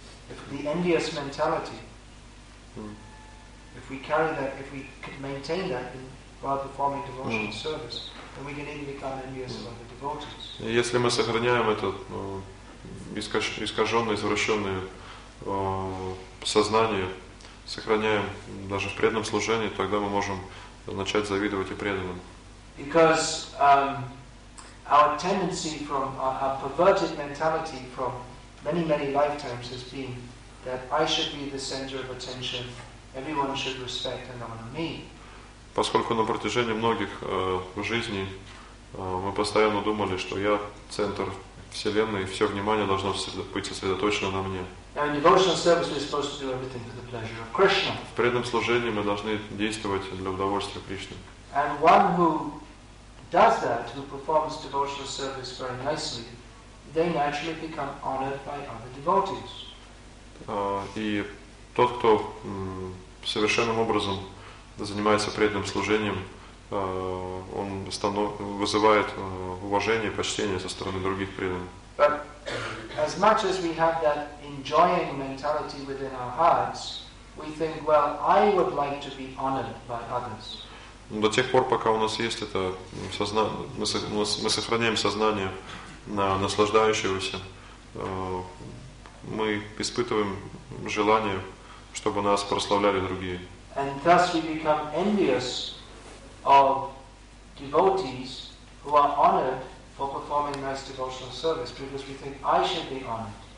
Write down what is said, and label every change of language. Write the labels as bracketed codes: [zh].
[en] If the envious mentality, if we carry that, if we could maintain that while performing devotional service, then we can even become envious of other devotees. [ru] Если мы сохраняем этот искаженный, извращенный сознание, сохраняем даже в преданном служении, тогда мы можем начать завидовать и преданным. [en] Because our tendency from our perverted mentality from many, many lifetimes has been that I should be the center of attention, everyone should respect and honor me. [ru] Поскольку на протяжении многих жизней мы постоянно думали, что я центр Вселенной, все внимание должно быть сосредоточено на мне. В преданном служении мы должны действовать для удовольствия Кришны. [en] And one who does that, who performs devotional service very nicely, they naturally become honored by other devotees. [ru] И тот, кто совершенным образом занимается преданным служением, он вызывает уважение, почтение со стороны других преданных. [en] But as much as we have that enjoying mentality within our hearts, we think, well, I would like to be honored by others. [ru] До тех пор, пока у нас есть это сознание, мы сохраняем сознание на наслаждающегося, мы испытываем желание, чтобы нас прославляли другие. [en] And thus we become envious of devotees who are honored for performing nice devotional service, because we think I should be honored.